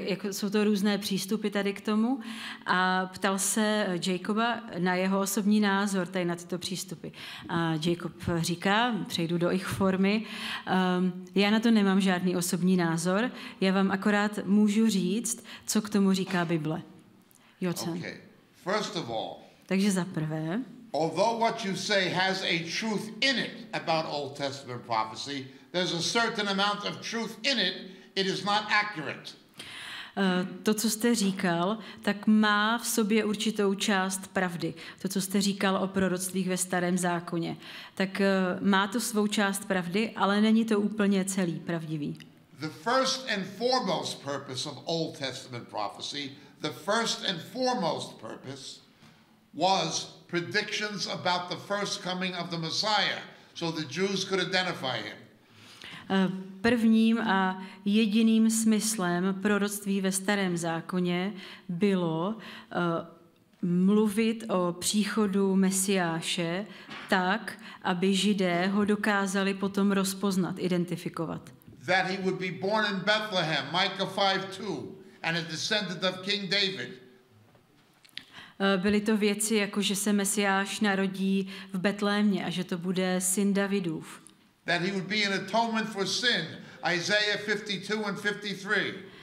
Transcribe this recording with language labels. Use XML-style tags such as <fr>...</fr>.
<cs>Jsou to různé přístupy tady k tomu. A ptal se Jacoba na jeho osobní názor tady na tyto přístupy. A Jacob říká, přejdu do jejich formy, já na to nemám žádný osobní názor, já vám akorát můžu říct, co k tomu říká Bible. Jocen.</cs> <en>Okay. First of all,</en> <cs>takže za prvé,</cs> <en>although what you say has a truth in it about Old Testament prophecy, there's a certain amount of truth in it. It is not accurate.</en> <cs>To, co jste říkal, tak má v sobě určitou část pravdy. To, co jste říkal o proroctvích ve Starém zákoně, tak má to svou část pravdy, ale není to úplně celý pravdivý.</cs> <en>The first and foremost purpose of Old Testament prophecy, the first and foremost purpose was predictions about the first coming of the Messiah, so the Jews could identify him.</en> <cs>Prvním a jediným smyslem proroctví ve Starém zákoně bylo mluvit o příchodu Mesiáše tak, aby Židé ho dokázali potom rozpoznat, identifikovat.</cs> <en>That he would be born in Bethlehem, Micah 5:2, and a descendant of King David.</en> <cs>Byly to věci, jako že se Mesiáš narodí v Betlémě a že to bude syn Davidův.</cs> <en>That he would be an atonement for sin, Isaiah 52 and 53.</en>